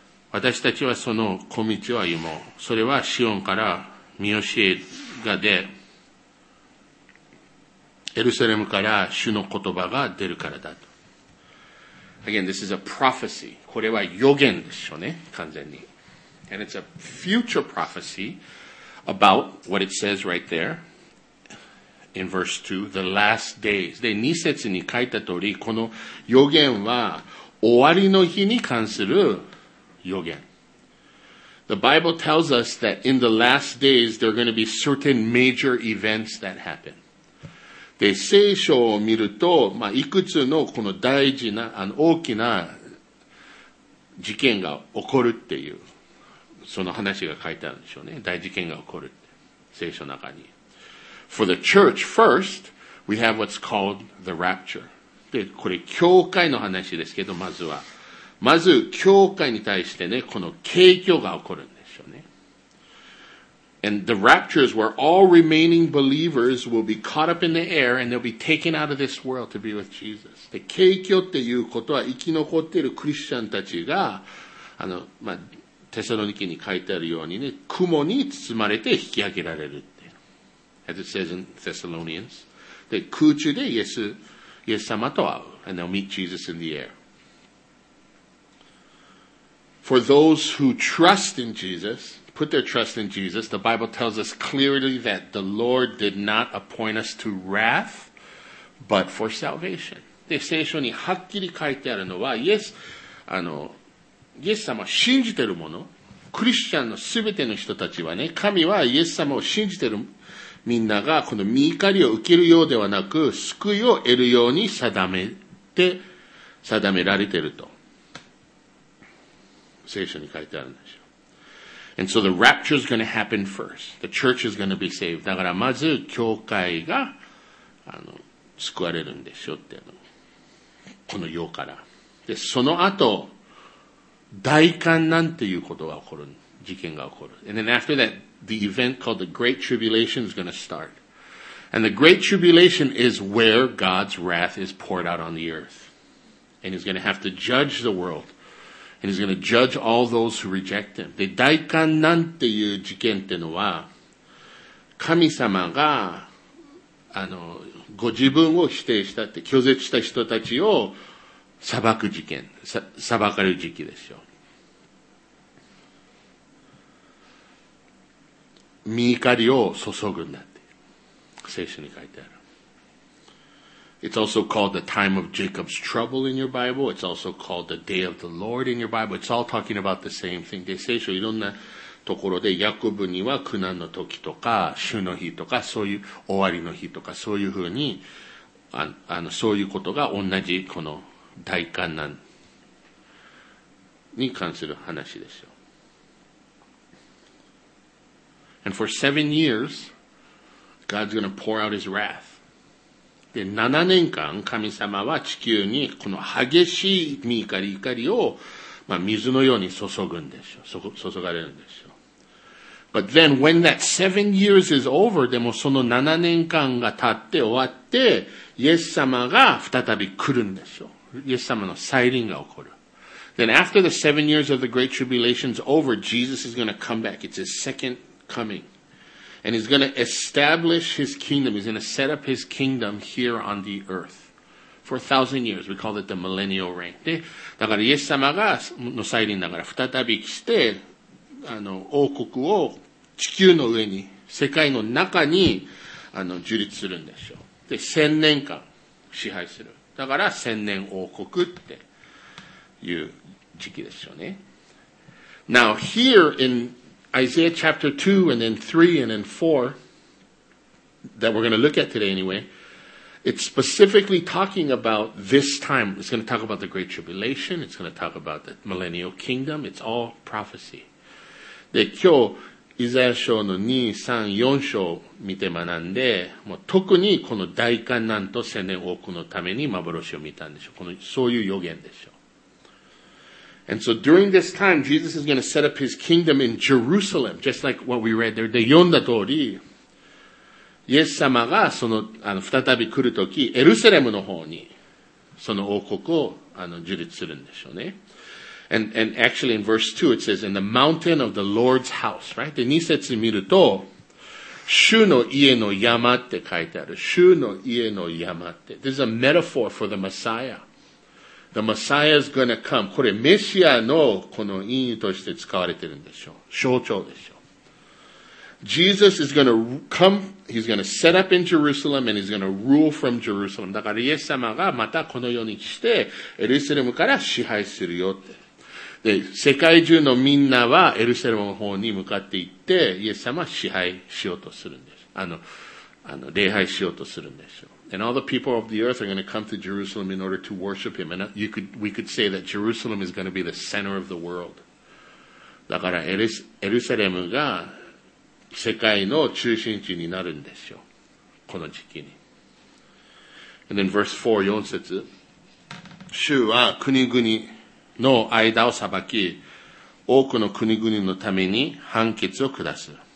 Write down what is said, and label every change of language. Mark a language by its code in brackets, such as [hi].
[ja] 私たちはその小道を歩もう。それはシオンから見教えが出、エルサレムから主の言葉が出るからだと。 [en] Again, this is a prophecy. [ja] これは予言でしょうね、完全に。 [en] And it's a future prophecy about what it says right there in verse 2, the last days. [ja] で、2節に書いた通り、この予言は終わりの日に関する予言。 [en] The Bible tells us that in the last days, there are going to be certain major events that happen. [ja] で、聖書を見ると、まあ、いくつのこの大事な、大きな事件が起こるっていう、その話が書いてあるんでしょうね。大事件が起こる。聖書の中に。 [en] For the church, first, we have what's called the rapture. [ja] で、これ、教会の話ですけど、まずは。まず、教会に対してね、この景況が起こるんですよね。 [en] And the rapture is where all remaining believers will be caught up in the air and they'll be taken out of this world to be with Jesus. [ja] で、景況っていうことは、生き残っているクリスチャンたちが、まあ、テサロニケに書いてあるようにね、雲に包まれて引き上げられるって。 [en] As it says in Thessalonians. [ja] で、空中でイエス様と会う。 [en] And they'll meet Jesus in the air. For those who trust in Jesus, put their trust in Jesus, the Bible tells us clearly that the Lord did not appoint us to wrath, but for salvation. [ja] で、聖書にはっきり書いてあるのは、イエス様を信じてる者、クリスチャンのすべての人たちはね、神はイエス様を信じてるみんなが、この御怒りを受けるようではなく、救いを得るように定められてると。聖書に書いてあるんでしょう。 [en] And so the rapture is going to happen first. The church is going to be saved. [ja] だからまず教会が救われるんでしょうっていうの。この世から。で、その後、大患難っていうことが起こる。事件が起こる。 [en] And then after that, the event called the Great Tribulation is going to start. And the Great Tribulation is where God's wrath is poured out on the earth. And he's going to have to judge the world. And he's going to judge all those who reject him. [ja] で、大患難っていう事件っていうのは、神様が、ご自分を否定したって、拒絶した人たちを裁く事件、裁かれる時期ですよ。身怒りを注ぐんだって。聖書に書いてある。 [en] It's also called the time of Jacob's trouble in your Bible. It's also called the day of the Lord in your Bible. It's all talking about the same thing. [ja] で、聖書いろんなところで、ヤコブには苦難の時とか、主の日とか、そういう終わりの日とか、そういうふうにあのそういうことが同じこの大患難に関する話ですよ。 [en] And for 7 years God's going to pour out his wrath. [ja] で、7年間神様は地球にこの激しい怒りを、まあ、水のように注ぐんですよ。注がれるんですよ。 [en] But then when that 7 years is over, [ja] でもその7年間が経って終わって、イエス様が再び来るんですよ。イエス様の再臨が起こる。 [en] Then after the 7 years of the Great Tribulation is over, Jesus is going to come back. It's his second coming. And he's going to establish his kingdom. He's going to set up his kingdom here on the earth. For 1,000 years. We call it the millennial reign. [ja] で、だからイエス様がの再臨だから再び来て、あの王国を地球の上に世界の中にあの樹立するんですよ。で千年間支配する。だから千年王国っていう時期ですよね。 [en] Now here in Isaiah chapter 2 and then 3 and then 4 that we're going to look at today anyway, it's specifically talking about this time. It's going to talk about the Great Tribulation. It's going to talk about the Millennial Kingdom. It's all prophecy. [ja] で、今日、イザヤ書の2、3、4章を見て学んで、もう特にこの大患難と千年王国のために幻を見たんでしょう。この、そういう予言でしょう。 [en] And so during this time, Jesus is going to set up his kingdom in Jerusalem, just like what we read there. [ja] で、読んだ通り、イエス様がその、あの、再び来るとき、エルサレムの方に、その王国を、あの、樹立するんでしょうね。 [en] And actually in verse 2 it says, in the mountain of the Lord's house, right? [ja] で、2節見ると、主の家の山って書いてある。主の家の山って。 [en] This is a metaphor for the Messiah. The Messiah is gonna come. [ja] これ、メシアのこの隠喩として使われてるんでしょう。象徴でしょう。 [en] Jesus is gonna come, he's gonna set up in Jerusalem and he's gonna rule from Jerusalem. [ja] だから、イエス様がまたこの世に来て、エルサレムから支配するよって。で、世界中のみんなはエルサレムの方に向かって行って、イエス様は支配しようとするんです。あの、礼拝しようとするんですよ。 [en] And all the people of the earth are going to come to Jerusalem in order to worship him. And we could say that Jerusalem is going to be the center of the world. [ja] だからエルサレムが世界の中心地になるんですよ。この時期に。 [en] And then verse 4, [ja] 4節。主は国々、の間を裁き、多くの国々のために判決を下す。